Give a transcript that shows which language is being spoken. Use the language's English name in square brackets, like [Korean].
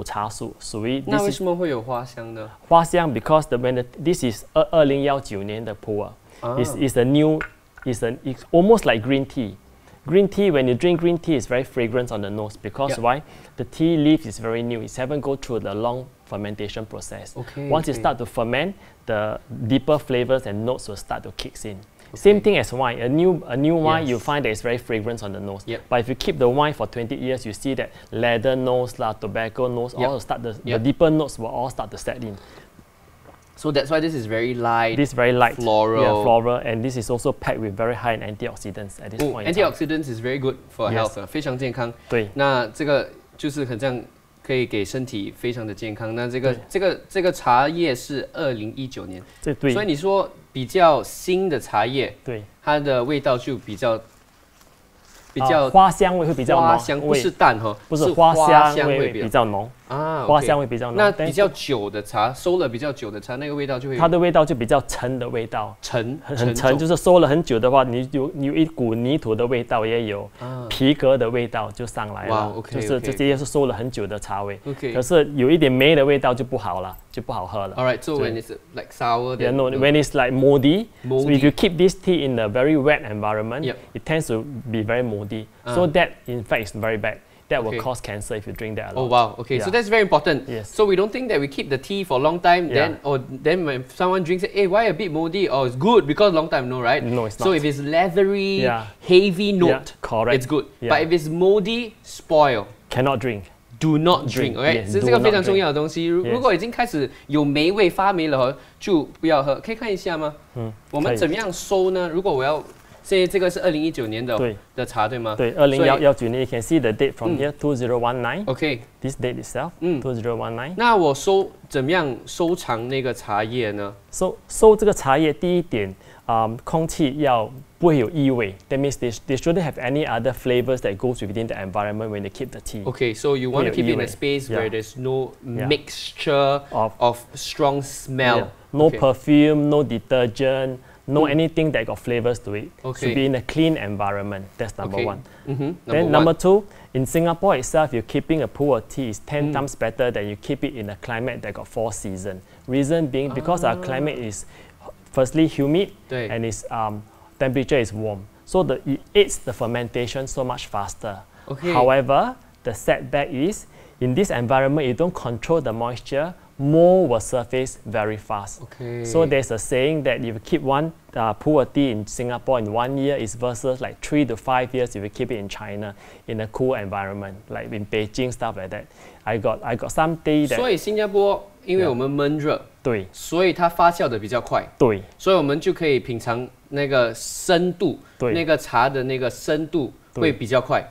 [Chinese] 普洱了，带有很多花香味。现在它对普洱是什么花做的？不是普洱是一棵茶树，这个是属于古茶树，属于那为什么会有花香呢？花香 [English] because the when the, this is [Chinese] 2019年 的普洱 [English] is a new it's almost like green tea. Green tea when you drink green tea is very fragrant on the nose because why the tea leaf is very new. It haven't go through the long fermentation process. Okay, once it start to ferment, the deeper flavors and notes will start to kick in. Okay. Same thing as wine. A new wine, you find that it's very fragrant on the nose. Yep. But if you keep the wine for 20 years, you see that leather nose, tobacco nose, all start the deeper notes will all start to set in. So that's why this is very light. This very light. Floral. Yeah, floral. And this is also packed with very high in antioxidants at this point. Antioxidants is very good for health. [Chinese] 非常健康。对。那这个就是很像可以给身体非常的健康。那这个茶叶是2019年，对，所以你说比较新的茶叶，对，它的味道就比较花香味会比较浓，花香不是淡哈，不是花香味比较浓花香味比较浓。那比较久的茶，收了比较久的茶，那个味道就会它的味道就比较沉的味道，很沉，就是收了很久的话，你有一股泥土的味道，也有皮革的味道就上来了。哇 okay, 就是这些是收了很久的茶味。 [English] Okay. [Chinese] 可是有一点霉的味道就不好了，就不好喝了。 [English] Alright, so when it's like sour, then when it's like moldy, so if you keep this tea in a very wet environment, it tends to be very moldy. So that in fact is very bad. That will cause cancer if you drink that a lot. Oh wow, okay, so that's very important. Yes. So we don't think that we keep the tea for a long time, then when someone drinks it, why a bit moldy? Oh, it's good because long time, no, right? No, it's not. So if it's leathery, heavy note, correct. It's good. Yeah. But if it's moldy, spoil. Cannot drink. Do not drink, okay? Yes, [Chinese] 这是一个非常重要的东西。如果已经开始有霉味发霉了，就不要喝。可以看一下吗？我们怎么样收呢？如果我要所以这个是2019年的茶对吗？对， [English] 2019年 ，you can see the date from here 2019. Okay, this date itself 2019. [Chinese] 那我收怎么样收藏那个茶叶呢？收这个茶叶，第一点空气要不会有异味。 [English] That means they shouldn't have any other flavors that goes within the environment when they keep the tea. Okay, so you want to keep it in a space where there's no mixture of strong smell. Yeah. No perfume, no detergent. No anything that got flavors to it. Okay. Should be in a clean environment. That's number one. Mm-hmm. Number two, in Singapore itself, you're keeping a pool of tea is 10 times better than you keep it in a climate that got 4 seasons. Reason being, because our climate is firstly humid and its temperature is warm. So it aids the fermentation so much faster. Okay. However, the setback is, in this environment, you don't control the moisture, more will surface very fast. Okay. So there's a saying that if you keep one pool tea in Singapore in 1 year, it's versus like 3 to 5 years if you keep it in China in a cool environment, like in Beijing, stuff like that. I got some tea that... [Chinese] 所以新加坡因为我们闷热，对，所以它发酵的比较快，对，所以我们就可以品尝那个深度，对，那个茶的那个深度会比较快，